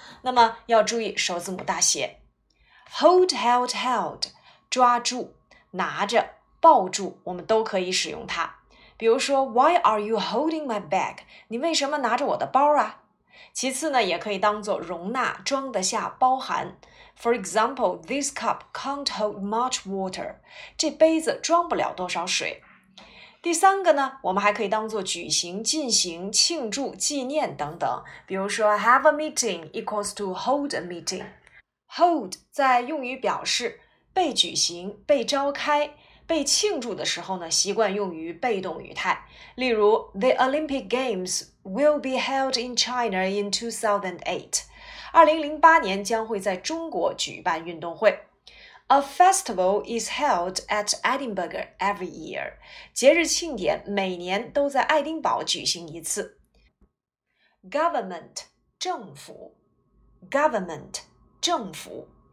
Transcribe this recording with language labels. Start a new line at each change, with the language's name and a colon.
Chinese: 那么要注意首字母大写。 Hold, held, held, 抓住、拿着、抱住，我们都可以使用它。比如说
English: Why are you holding my bag?
Chinese: 你为什么拿着我的包啊？其次呢，也可以当作容纳、装得下、包含。
English: For example, this cup can't hold much water.
Chinese: 这杯子装不了多少水。第三个呢，我们还可以当作举行、进行、庆祝、纪念等等。比如说
English: ,have a meeting equals to hold a meeting.
Chinese: Hold 在用于表示被举行、被召开、被庆祝的时候呢，习惯用于被动语态。例如
English: ,The Olympic Games will be held in China in 2008.
Chinese: 2008年将会在中国举办运动会。
English: A festival is held at Edinburgh every year.
Chinese: 节日庆典每年都在爱丁堡举行一次。 Government, 政府。Government, 政府。